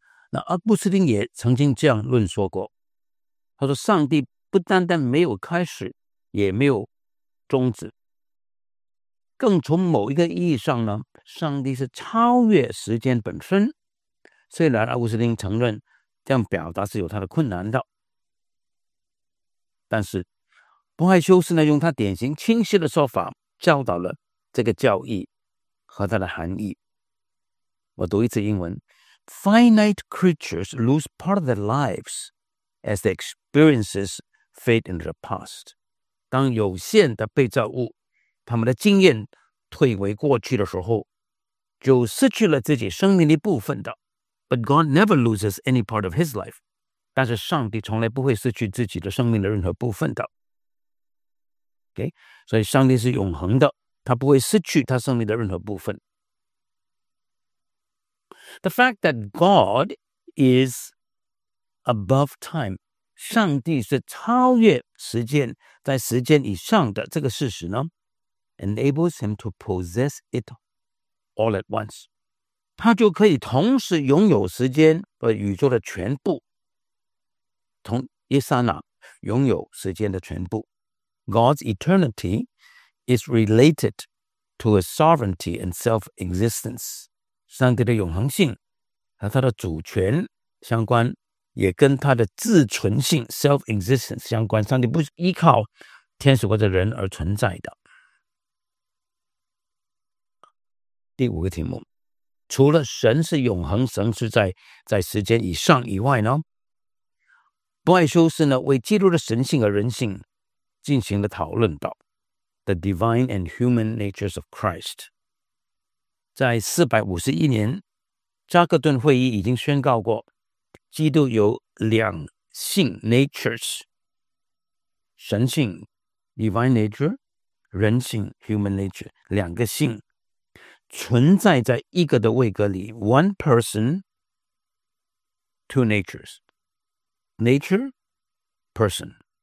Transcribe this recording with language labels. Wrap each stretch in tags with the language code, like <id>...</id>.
<zh>那阿古斯丁也曾经这样论说过，他说上帝不单单没有开始，也没有终止，更从某一个意义上呢，上帝是超越时间本身。虽然阿古斯丁承认这样表达是有他的困难的，但是波埃修斯呢，用他典型清晰的说法教导了这个教义和它的含义。我读一次英文：</zh> <en>Finite creatures lose part of their lives as the experiences fade into the past。</en> <zh>当有限的被造物他们的经验退为过去的时候，就失去了自己生命的部分的。</zh> <en>But God never loses any part of his life。</en> <zh>但是上帝从来不会失去自己的生命的任何部分的。</zh> <en>Okay?</en> <zh>所以上帝是永恒的，他不会失去他生命的任何部分。</zh> <en>The fact that God is above time，</en> <zh>上帝是超越时间，在时间以上的这个事实呢，</zh> <en>enables him to possess it all at once。</en> <zh>他就可以同时拥有时间和宇宙的全部，同一刹那拥有时间的全部。</zh> <en>God's eternity is related to his sovereignty and self-existence。</en> <zh>上帝的永恒性和他的主权相关，也跟他的自存性 self-existence 相关。上帝不是依靠天使或者人而存在的。第五个题目，除了神是永恒，神是 在时间以上以外呢，波埃修斯呢为基督的神性和人性进行了讨论道。</zh> <en>the divine and human natures of Christ.</en> <zh>在451年，扎克顿会议已经宣告过，基督有两性 natures， 神性 divine nature， 人性 human nature， 两个性存在在一个的位格里，</zh> <en>one person， two natures，</en> <zh>nature， person。</zh>